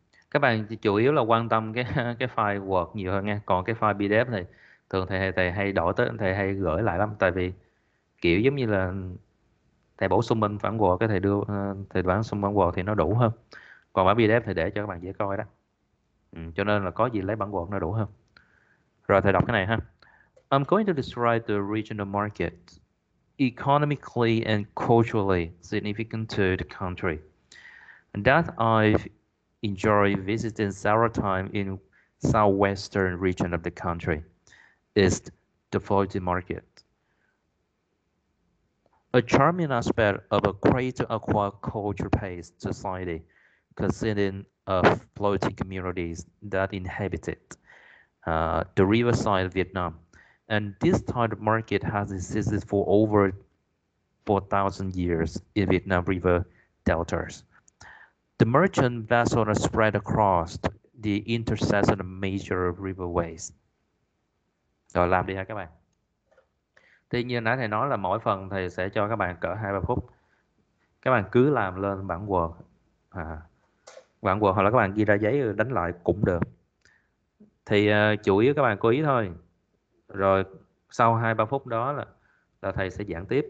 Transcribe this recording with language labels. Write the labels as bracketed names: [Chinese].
[Vietnamese] Các bạn chủ yếu là quan tâm cái file Word nhiều hơn nha, còn cái file PDF thì thường thầy hay đổi tới, thầy hay gửi lại lắm, tại vì kiểu giống như là thầy bổ sung bên bản Word, cái thầy đưa thầy bản sung bản Word thì nó đủ hơn, còn bản PDF thì để cho các bạn dễ coi đó. Cho nên là có gì lấy bản Word nó đủ hơn. Rồi thầy đọc cái này ha. [English] I'm going to describe the regional market economically and culturally significant to the country that I've enjoy visiting several times in southwestern region of the country. is the floating market. A charming aspect of a crater aquaculture based society consisting of floating communities that inhabited the riverside of Vietnam. And this type of market has existed for over 4,000 years in Vietnam River deltas. The merchant vessels are spread across the intersection of major riverways. [Vietnamese] Rồi làm đi ha các bạn. Thì như nãy thầy nói là mỗi phần thầy sẽ cho các bạn cỡ 2-3 phút. Các bạn cứ làm lên bản Word. Bản Word hoặc là các bạn ghi ra giấy đánh lại cũng được. Thì chủ yếu các bạn cố ý thôi. Rồi sau 2-3 phút đó là thầy sẽ giảng tiếp.